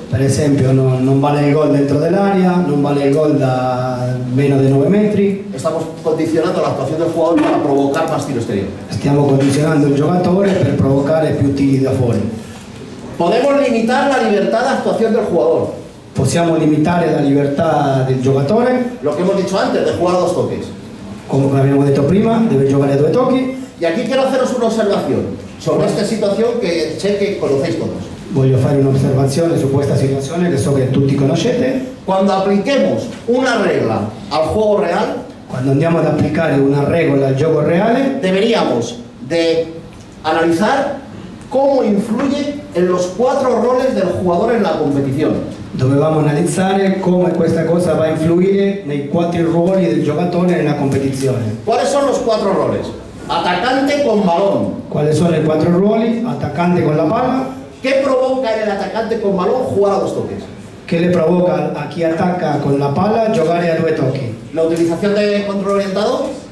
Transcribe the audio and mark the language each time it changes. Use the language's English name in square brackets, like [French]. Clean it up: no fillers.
[Spanish] Por ejemplo, no vale el gol dentro del área, no vale el gol de menos de 9 metros. Estamos condicionando la actuación del jugador para provocar más tiro exterior. Estamos condicionando el jugador para provocar más tiros de afuera. Podemos limitar la libertad de actuación del jugador. [Italian] Possiamo limitare la libertà del giocatore. [Spanish] Lo que hemos dicho antes, de jugar a dos toques. Como habíamos dicho prima, debe jugar a dos toques. Y aquí quiero haceros una observación sobre esta situación que sé que conocéis todos. [Italian] Voglio fare un'osservazione su questa situazione che so che tutti conoscete. Quando applichiamo una regola [Spanish] al juego real, [Italian] quando andiamo ad applicare una regola al gioco reale, [Spanish] dovremmo de analizar cómo influye en los cuatro roles del jugador en la competición. [Italian] Dovevamo analizzare come questa cosa va a influire nei quattro ruoli del giocatore nella competizione. [Spanish] ¿Cuáles son los cuatro roles? Atacante con balón. ¿Cuáles son los cuatro roles? Atacante con la palma. ¿Qué provoca en el atacante con balón jugar a dos toques? ¿Qué le provoca a quien ataca con la pala jugar a due toques? ¿La utilización del control orientado?